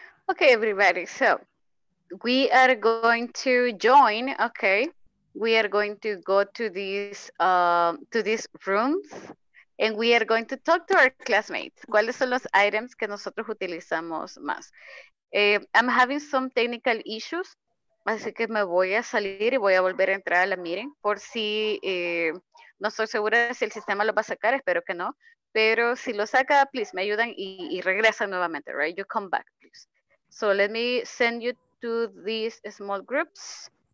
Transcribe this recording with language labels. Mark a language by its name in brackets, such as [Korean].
[English] Okay, everybody, so we are going to join, okay? We are going to go to these rooms And we are going to talk to our classmates. [Spanish] ¿Cuáles son los items que nosotros utilizamos más? [English] I'm having some technical issues. [Spanish] Así que me voy a salir y voy a volver a entrar a la meeting. Por si, no estoy segura si el sistema lo va a sacar, espero que no. Pero si lo saca, please, me ayudan y regresan nuevamente, right? [English] You come back, please. So let me send you to these small groups.